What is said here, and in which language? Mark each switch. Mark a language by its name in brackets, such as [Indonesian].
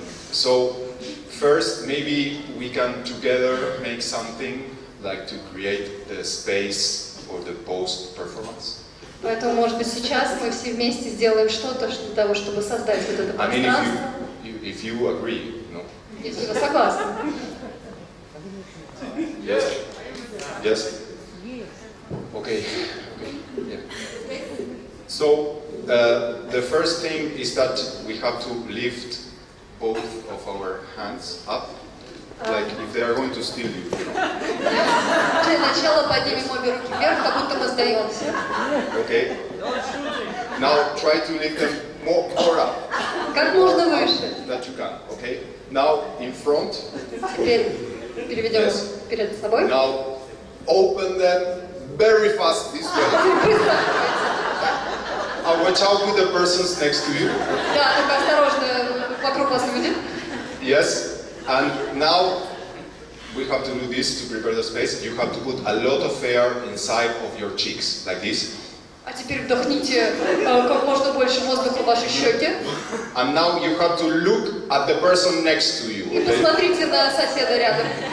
[English] So, first, maybe we can together make something like to create the space for the post-performance. [Russian] Поэтому, может быть, сейчас мы все вместе сделаем что-то для того, чтобы создать вот это пространство. [English] I mean, if you agree, no? [Russian] Если вы согласны. [English] Yes. Yes. Okay. Yeah. So the first thing is that we have to lift both of our hands up, like if they are going to steal you. [Russian] Для начала поднимем обе руки вверх, как будто мы сдаемся. [English] Okay. Now try to lift them more up. [Russian] Как можно выше. [English] That you can. Okay. Now in front. [Russian] Переведем yes. Перед собой. [English] Now open them very fast this way. And watch out with the persons next to you. [Russian] Да, только осторожно, вокруг вас люди. [English] Yes, and now we have to do this to prepare the space. You have to put a lot of air inside of your cheeks, like this. [Russian] А теперь вдохните как можно больше воздуха в ваши щеки. [English] And now you have to look at the person next to you. [Russian] И посмотрите на соседа рядом.